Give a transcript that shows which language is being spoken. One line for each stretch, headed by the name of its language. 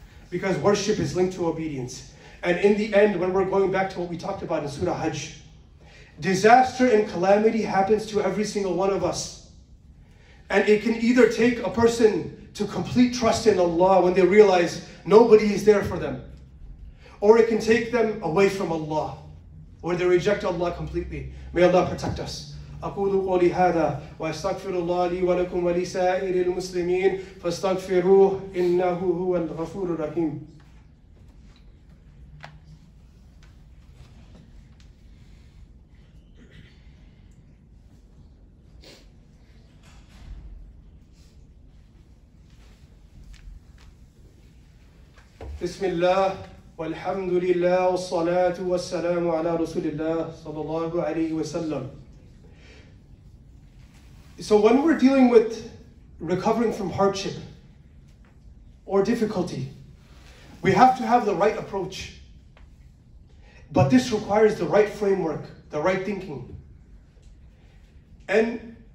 English: Because worship is linked to obedience. And in the end, when we're going back to what we talked about in Surah Hajj, disaster and calamity happens to every single one of us. And it can either take a person to complete trust in Allah when they realize nobody is there for them, or it can take them away from Allah, where they reject Allah completely. May Allah protect us.
Arabic: أقول قولي هذا وأستغفر الله لي ولكم ولسائر المسلمين فاستغفروه إنه هو الغفور الرحيم. بسم الله والحمد لله والصلاة والسلام على رسول الله صلى الله عليه وسلم.
English: So when we're dealing with recovering from hardship or difficulty, we have to have the right approach. But this requires the right framework, the right thinking. And